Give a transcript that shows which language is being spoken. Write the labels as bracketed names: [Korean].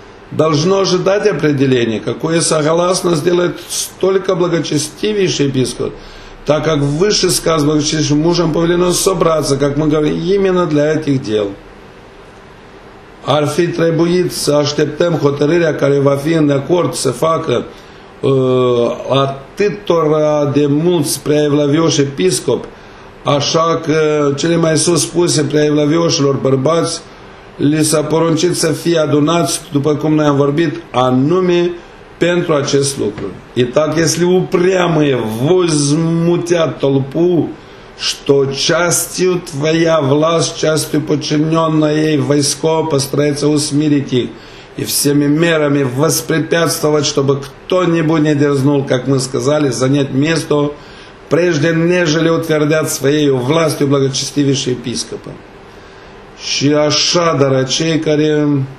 [Russian] Должно ожидать определение, какое согласно сделать столько благочестивейший епископ, так как выше сказано, благочестивейшим мужем повелено собраться, как мы говорим, именно для этих дел. [Romanian] Ar fi trebuit să așteptăm hotărârea care va fi în acord să facă atâtora de mulți preaevlavioși episcopi, așa că cele mai sus spuse preaevlavioșilor bărbați li s-a poruncit să fie adunați, după cum noi am vorbit, anume pentru acest lucru. [Russian] И так, если упрямые возмутят толпу, что частью твоя власть, частью подчиненное ей войско постарается усмирить их и всеми мерами воспрепятствовать, чтобы кто-нибудь не дерзнул, как мы сказали, занять место прежде, нежели утвердят своей властью благочестивейшие епископы. [Romanian] Și așa, dar acei care